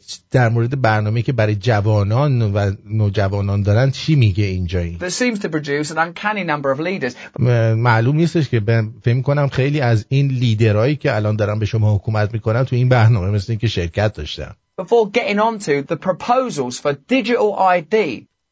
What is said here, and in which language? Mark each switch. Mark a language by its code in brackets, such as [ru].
[fa] در مورد برنامه‌ای که برای جوانان و نوجوانان دارن چی میگه اینجا این [en] There seems to produce an uncanny number of leaders. [fa] معلوم نیستش که فهم کنم خیلی از این لیدرهایی که الان دارن به شما حکومت میکنن تو این برنامه مثل این که شرکت داشتن. [en] Before getting on to the proposals for digital ID.